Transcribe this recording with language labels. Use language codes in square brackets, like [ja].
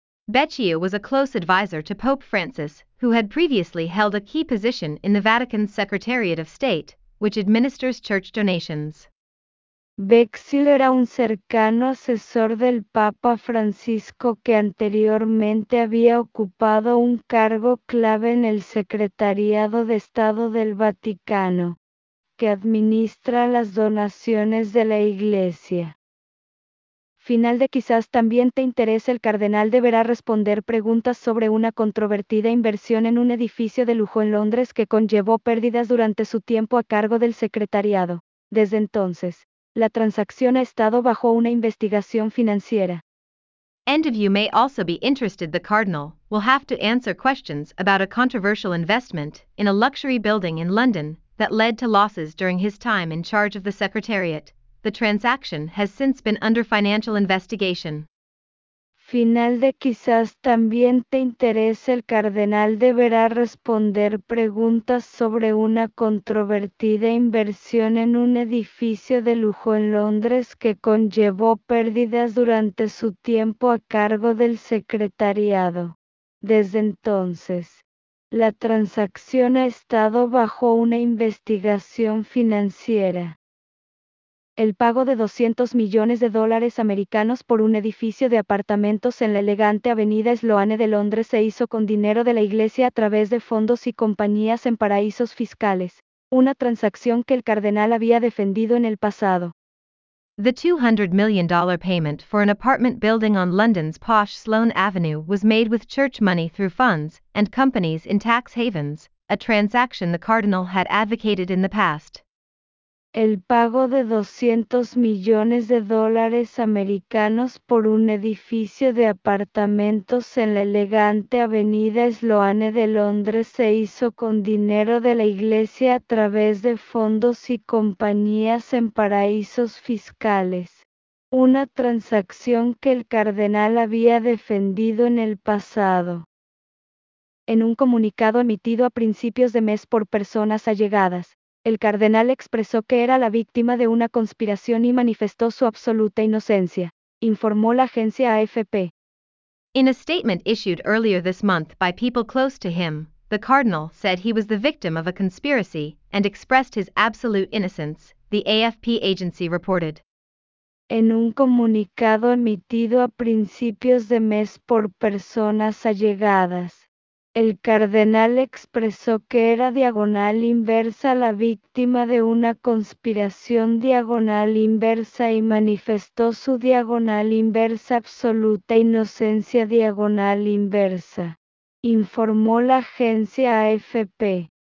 [en] Becciu was a close advisor to Pope Francis, who had previously held a key position in the Vatican's Secretariat of State, which administers church donations. [es] Becciu era un cercano asesor del Papa Francisco que anteriormente había ocupado un cargo clave en el Secretariado de Estado del Vaticano, que administra las donaciones de la Iglesia. Final de quizás también te interese. El cardenal deberá responder preguntas sobre una controvertida inversión en un edificio de lujo en Londres que conllevó pérdidas durante su tiempo a cargo del secretariado. Desde entonces, la transacción ha estado bajo una investigación financiera. [en] End of. You may also be interested. The cardinal will have to answer questions about a controversial investment in a luxury building in London that led to losses during his time in charge of the secretariat. The transaction has since been under financial investigation. [es] Final de quizás también te interese. El cardenal deberá responder preguntas sobre una controvertida inversión en un edificio de lujo en Londres que conllevó pérdidas durante su tiempo a cargo del secretariado. Desde entonces, la transacción ha estado bajo una investigación financiera. El pago de 200 millones de dólares americanos por un edificio de apartamentos en la elegante avenida Sloane de Londres se hizo con dinero de la Iglesia a través de fondos y compañías en paraísos fiscales, una transacción que el cardenal había defendido en el pasado. [en] The $200 million payment for an apartment building on London's posh Sloane Avenue was made with church money through funds and companies in tax havens, a transaction the cardinal had advocated in the past. [es] El pago de 200 millones de dólares americanos por un edificio de apartamentos en la elegante avenida Sloane de Londres se hizo con dinero de la Iglesia a través de fondos y compañías en paraísos fiscales, Una transacción que el cardenal había defendido en el pasado. En un comunicado emitido a principios de mes por personas allegadas, el cardenal expresó que era la víctima de una conspiración y manifestó su absoluta inocencia, informó la agencia AFP. [en] In a statement issued earlier this month by people close to him, the cardinal said he was the victim of a conspiracy and expressed his absolute innocence, the AFP agency reported. [es] En un comunicado emitido a principios de mes por personas allegadas, el cardenal expresó que era diagonal inversa la víctima de una conspiración diagonal inversa y manifestó su diagonal inversa absoluta inocencia diagonal inversa, informó la agencia AFP.